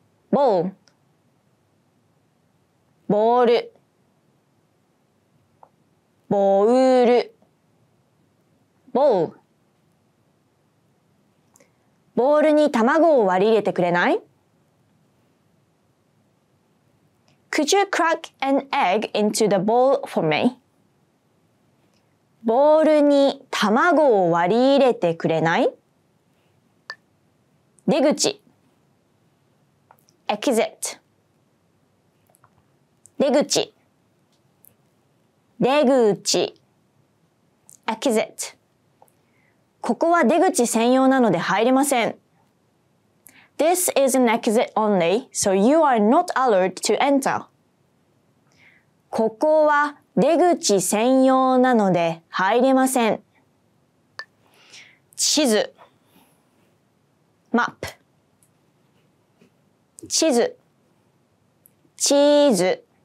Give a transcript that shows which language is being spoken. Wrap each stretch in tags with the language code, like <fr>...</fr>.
<ja>ボール、ボール、ボール、ボール。ボールに卵を割り入れてくれない？</ja> <en>Could you crack an egg into the bowl for me?</en> <ja>ボールに卵を割り入れてくれない？出口、</ja> <en>Exit。</en> <ja>出口、出口、</ja> <en>Exit。</en> <ja>ここは出口専用なので入れません。</ja> <en>This is an exit only, so you are not allowed to enter.</en> <ja>ここは出口専用なので入れません。地図、</ja> <en>Map。</en> <ja>地図、地図。</ja>